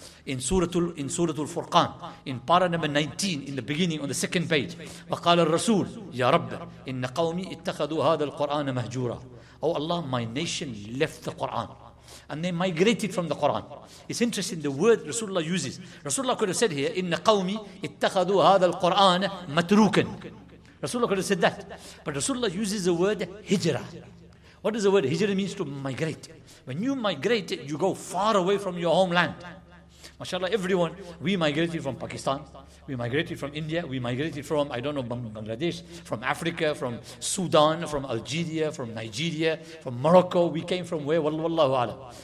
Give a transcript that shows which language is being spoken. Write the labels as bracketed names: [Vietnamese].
[English] In Suratul Furqan, in para number 19, in the beginning, on the second page, [Arabic] وَقَالَ الرَّسُولُ يَا رَبَّ إِنَّ قَوْمِي اتَّخَذُوا هَذَا الْقُرْآنَ مَهْجُورًا. [English] Oh Allah, my nation left the Quran. And they migrated from the Quran. It's interesting, the word Rasulullah uses. Rasulullah could have said here, [Arabic] إِنَّ قَوْمِي اتَّخَذُوا هَذَا الْقُرْآنَ مَتْرُوكًا. [English] Rasulullah could have said that. But Rasulullah uses the word hijrah. What does the word hijrah means? To migrate. When you migrate, you go far away from your homeland. MashaAllah, everyone, we migrated from Pakistan. We migrated from India. We migrated from, I don't know, Bangladesh, from Africa, from Sudan, from Algeria, from Nigeria, from Morocco. We came from where? Wallahu a'lam.